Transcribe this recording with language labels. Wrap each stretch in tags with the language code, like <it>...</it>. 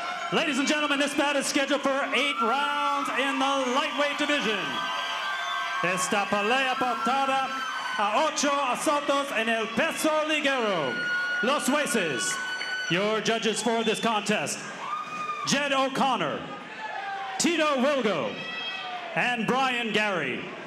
<en>Ladies and gentlemen, this bout is scheduled for 8 rounds in the lightweight division.</en> <es>Esta pelea pautada a 8 asaltos en el peso ligero. Los jueces,</es> <en>your judges for this contest, Jed O'Connor, Tito Wilgo, and Brian Gary.</en>